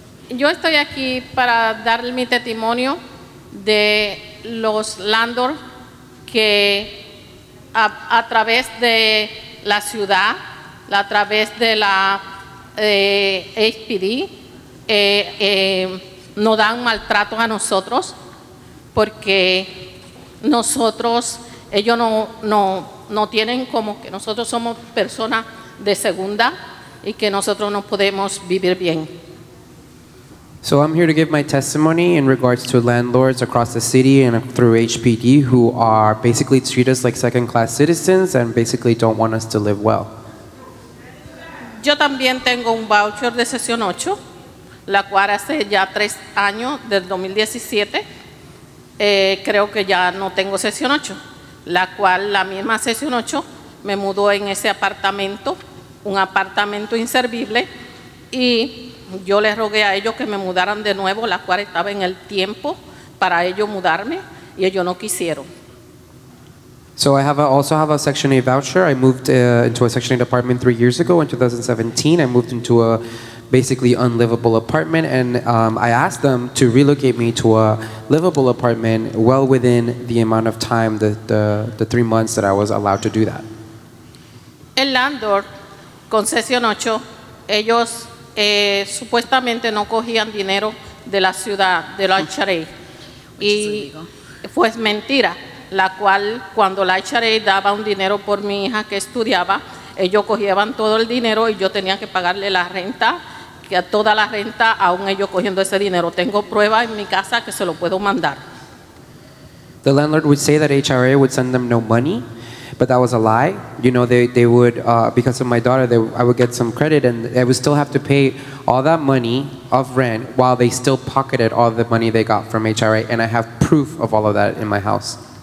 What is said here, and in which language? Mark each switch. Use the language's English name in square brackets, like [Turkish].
[Spanish] Yo estoy aquí para dar mi testimonio de los landlords que a través de la ciudad, a través de la HPD, nos dan maltrato a nosotros, porque nosotros, ellos no tienen como que nosotros somos personas de segunda y que nosotros no podemos vivir bien. [English] So I'm here to give my testimony in regards to landlords across the city and through HPD who are basically treat us like second class citizens and basically don't want us to live well. [Spanish] Yo también tengo un voucher de sesión 8, la cual hace ya 3 años, del 2017. Creo que ya no tengo sesión 8, la cual la misma sesión 8 me mudó en ese apartamento, un apartamento inservible, y yo les rogué a ellos que me mudaran de nuevo, la cual estaba en el tiempo para ellos mudarme, y ellos no quisieron. [English] So I have also have a Section 8 voucher. I moved into a Section 8 apartment 3 years ago in 2017. I moved into a basically unlivable apartment, and I asked them to relocate me to a livable apartment well within the amount of time, the 3 months that I was allowed to do that. [Spanish] El landlord, con Sección 8, ellos supuestamente no cogían dinero de la ciudad, de la HRA. Y fue mentira, la cual cuando la HRA daba un dinero por mi hija que estudiaba, ellos cogían todo el dinero y yo tenía que pagarle la renta, que a toda la renta, aún ellos cogiendo ese dinero. Tengo pruebas en mi casa que se lo puedo mandar. [English] The landlord would say that HRA would send them no money, but that was a lie. You know, they would, because of my daughter, I would get some credit and I would still have to pay all that money of rent while they still pocketed all the money they got from HRA, and I have proof of all of that in my house.